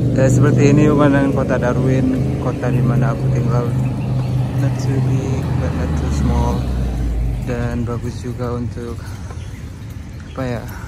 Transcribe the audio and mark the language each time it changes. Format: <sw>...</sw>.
<id>Seperti ini pemandangan kota Darwin, kota di mana aku tinggal.</id> <en>Not too big, but not too small.</en> <id>Dan bagus juga untuk apa ya?</id>